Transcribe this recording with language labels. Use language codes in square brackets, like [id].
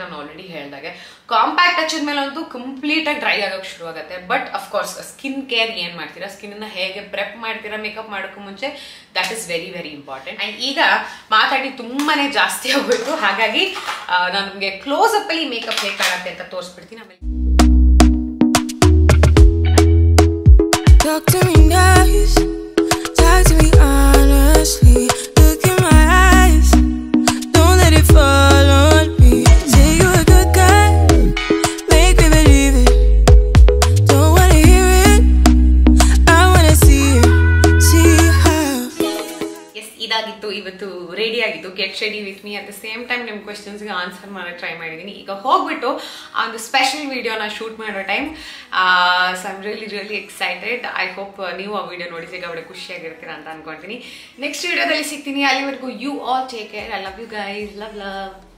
[kn] ನಾನು ಆಲ್ರೆಡಿ ಹೇಳಿದಾಗೆ ಕಾಂಪ್ಯಾಕ್ಟ್ ಹಚ್ಚಿದ ಮೇಲೆ ಅಂತೂ ಕಂಪ್ಲೀಟಾಗಿ ಡ್ರೈ ಆಗೋಕ್ಕೆ ಶುರುವಾಗುತ್ತೆ. [en] but of course [kn] ಸ್ಕಿನ್ ಕೇರ್ ಏನು ಮಾಡ್ತೀರಾ, ಸ್ಕಿನ್ನ ಹೇಗೆ ಪ್ರೆಪ್ ಮಾಡ್ತೀರಾ ಮೇಕಪ್ ಮಾಡೋಕ್ಕೂ ಮುಂಚೆ, [en] That is very very important. [kn] And ಈಗ ಮಾತಾಡಿ ತುಂಬಾ ಜಾಸ್ತಿ ಆಗೋಯ್ತು, ಹಾಗಾಗಿ ನಾನು ನಿಮಗೆ ಕ್ಲೋಸಪ್ಪಲ್ಲಿ ಮೇಕಪ್ ಹೇಗಾಗತ್ತೆ ಅಂತ ತೋರಿಸ್ಬಿಡ್ತೀನಿ ಆಮೇಲೆ. [en] Talk to me nice, talk to me honestly. Look in my eyes, don't let it fall on me. Say you're a good guy, make me believe it. Don't wanna hear it, I wanna see it, see how. [kn] Yes, ಇದಾಗಿತ್ತು ಇವತ್ತು ready ಆಗಿತ್ತು [en] Get ready with me. At the same time [kn] ನಿಮ್ಮ ಕ್ವೆಶನ್ಸ್ಗೆ answer ಮಾಡೋ try ಮಾಡಿದ್ದೀನಿ. ಈಗ ಹೋಗ್ಬಿಟ್ಟು ಆ ಒಂದು ಸ್ಪೆಷಲ್ ವಿಡಿಯೋನ ಶೂಟ್ ಮಾಡೋ time. [en] So I am really really excited. I hope [kn] ನೀವು ಆ ವಿಡಿಯೋ ನೋಡಿ ಸಿಗಾಬಿಡೆ ಖುಷಿಯಾಗಿರ್ತೀರಾ ಅಂತ ಅನ್ಕೊಂತೀನಿ. ನೆಕ್ಸ್ಟ್ ವಿಡಿಯೋದಲ್ಲಿ ಸಿಗ್ತೀನಿ, ಅಲ್ಲಿವರೆಗೂ [en] You all take care. I love you guys, love love.